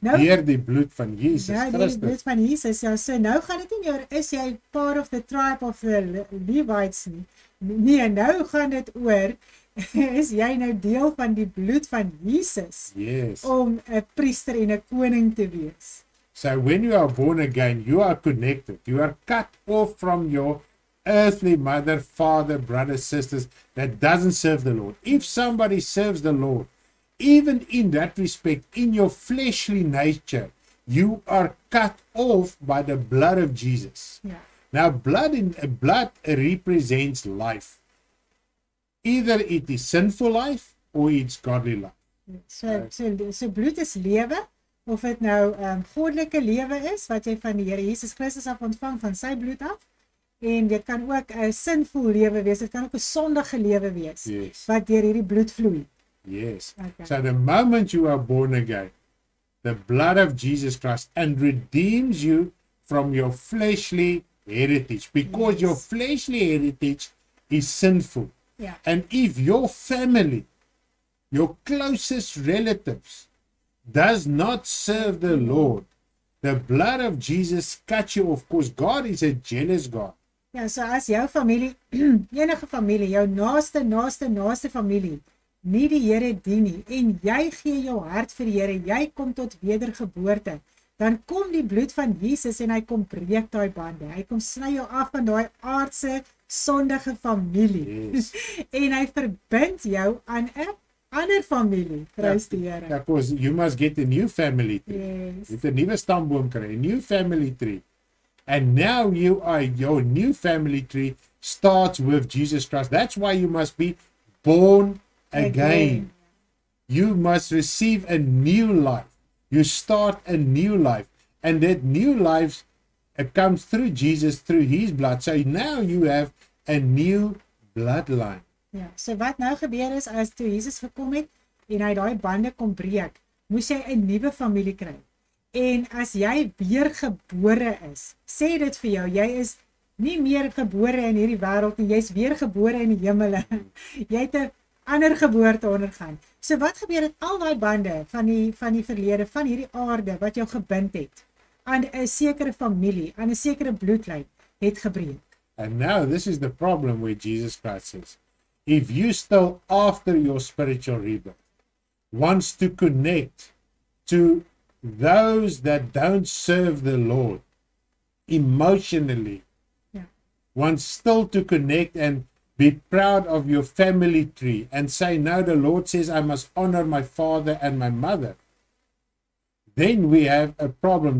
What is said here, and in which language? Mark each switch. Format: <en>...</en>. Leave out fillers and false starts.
<af>Nou, deur die bloed van Jesus Christus. Ja, deur die bloed van Jesus. Ja, so nou gaan dit nie meer, is jy</af> <en>part of the tribe of the Levites</en> <af>nie. Nee, nou gaan dit oor, is jy nou deel van die bloed van Jesus</af> <en>yes.</en> <af>om 'n priester en 'n koning te wees.</af> <en>So when you are born again, you are connected. You are cut off from your earthly mother, father, brothers, sisters that doesn't serve the Lord. If somebody serves the Lord, even in that respect, in your fleshly nature, you are cut off by the blood of Jesus. Yeah. Now, blood represents life. Either it is sinful life or it's godly life.</en> <af>So bloed is lewe. Of het nou goddelike lewe is, wat jy van die Here Jesus Christus af ontvang, van sy bloed af. En dit kan ook 'n sinvol lewe wees, dit kan ook 'n sondige lewe wees,</af> <en>yes.</en> <af>wat deur hierdie bloed vloei.</af> <en>Yes. Okay. So the moment you are born again, the blood of Jesus Christ and redeems you from your fleshly heritage. Because yes. your fleshly heritage is sinful. Yeah. And if your family, your closest relatives, does not serve the Lord, the blood of Jesus cuts you off. Of course, God is a jealous God.</en> <af>Yeah, so as jou familie, enige familie, jou naaste familie, nie die Here dien nie, en jy gee jou hart vir die Here, jy kom tot wedergeboorte, dan kom die bloed van Jesus en hy kom breek daai bande. Hy kom sny jou af van daai aardse, sondige familie.</af> <en>Yes.</en> <af>en hy verbind jou aan 'n ander familie, prys die Here.</af> <en>Yeah, because you must get a new family tree. Yes.</en> <af>Jy moet 'n nuwe stamboom kry,</af> <en>a new family tree. And now you are, your new family tree starts with Jesus Christ. That's why you must be born again. You must receive a new life. You start a new life. And that new life comes through Jesus, through his blood. So now you have a new bloodline.</en> <af>Ja, so wat nou gebeur is, as toe Jesus gekom het, en hy daai bande kom breek, moes hy 'n nuwe familie kry. En as jy weer gebore is, sê dit vir jou, jy is nie meer gebore in hierdie wêreld nie, jy is weer gebore in die hemele. Jy het 'n ander geboorte ondergaan. So wat gebeur het al daai bande van die verlede, van hierdie aarde, wat jou gebind het, aan 'n sekere familie, aan 'n sekere bloedlyn, het gebreek.</af> <en>And now this is the problem where Jesus Christ says, if you still after your spiritual rebirth, wants to connect to those that don't serve the Lord emotionally, yeah. wants still to connect and be proud of your family tree and say, no, the Lord says I must honor my father and my mother, then we have a problem.</en>